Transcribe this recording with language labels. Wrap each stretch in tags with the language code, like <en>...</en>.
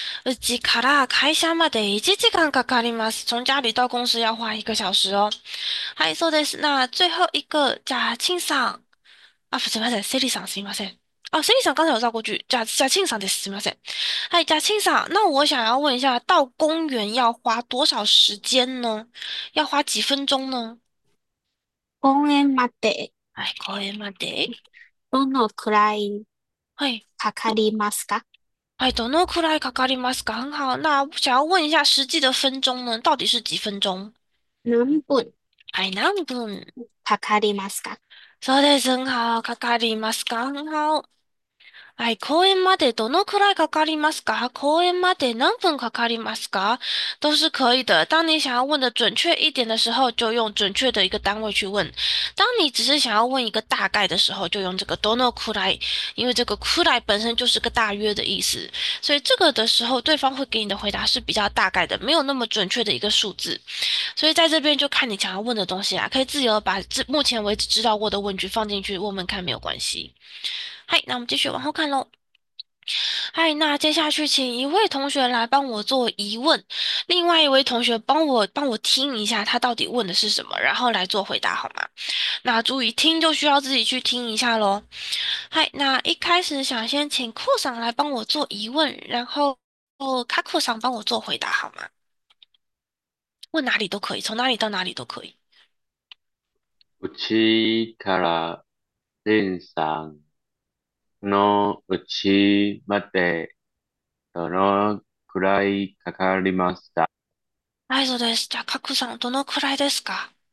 <ja>うちから会社まで1時間かかります。</ja> <zh>从家里到公司要花1个小时哦。</zh> <ja>はい、そうです。</ja> <zh>那最后一个、</zh> <ja>じゃあ、チンさん。あ、すいません。セリさん、すいません。</ja> <zh>あ、セリさん刚才有照过去。</zh> <ja>じゃあ、チンさんです。すいません。はい、じゃあ、チンさん。</ja> <zh>那我想要问一下、到公园要花多少时间呢？要花几分钟呢？</zh> <ja>公園まで、はい、公園まで。どのくらいはい。かかりますか？はい、どのくらいかかりますか？</ja> <zh>很好。那想要问一下实际的分钟呢？到底是几分钟？</zh> <ja>何分はい、何分？かかりますか？そうです。</ja> <zh>很好。</zh> <ja>かかりますか？很好。はい、公園までどのくらいかかりますか？公園まで何分かかりますか？</ja> <zh>都是可以的。当你想要问的准确一点的时候，就用准确的一个单位去问。当你只是想要问一个大概的时候，就用这个どのくらい，因为这个くらい本身就是个大约的意思，所以这个的时候对方会给你的回答是比较大概的，没有那么准确的一个数字。所以在这边就看你想要问的东西啦，可以自由把这目前为止知道过的问句放进去问问看，没有关系。嗨，那我们继续往后看喽。嗨，那接下去请一位同学来帮我做疑问，另外一位同学帮我听一下他到底问的是什么，然后来做回答好吗？那注意听就需要自己去听一下喽。嗨，那一开始想先请库桑来帮我做疑问，然后卡库桑帮我做回答好吗？问哪里都可以，从哪里到哪里都可以。</zh> <ja>家から電車のうちまでどのくらいかかりました？はい、そうです。じゃあ、カクさん、どのくらいですか？</ja>